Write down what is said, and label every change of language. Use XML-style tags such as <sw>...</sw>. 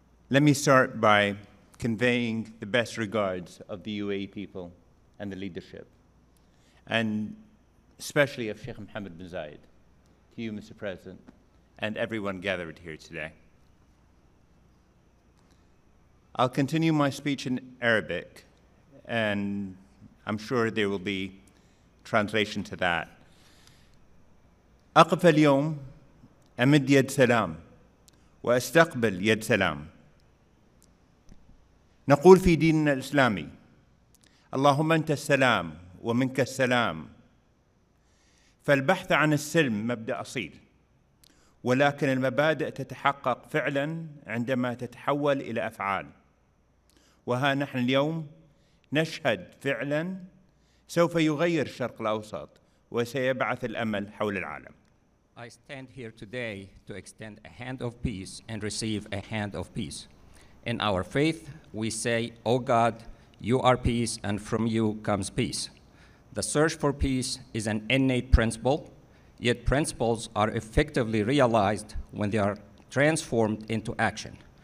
<en>Let me start by conveying the best regards of the UAE people and the leadership, and especially of Sheikh Mohammed bin Zayed, to you, Mr. President, and everyone gathered here today. I'll continue my speech in Arabic, and I'm sure there will be translation to that.</en> <ar>أقف اليوم أمد يد سلام وأستقبل يد سلام نقول في ديننا الإسلامي اللهم أنت السلام ومنك السلام فالبحث عن السلم مبدأ أصيل ولكن المبادئ تتحقق فعلا عندما تتحول إلى أفعال وها نحن اليوم نشهد فعلا سوف يغير الشرق الأوسط وسيبعث الأمل حول العالم.</ar> <en>I stand here today to extend a hand of peace and receive a hand of peace. In our faith, we say, O God, you are peace and from you comes peace. The search for peace is an innate principle, yet principles are effectively realized when they are transformed into action.</en>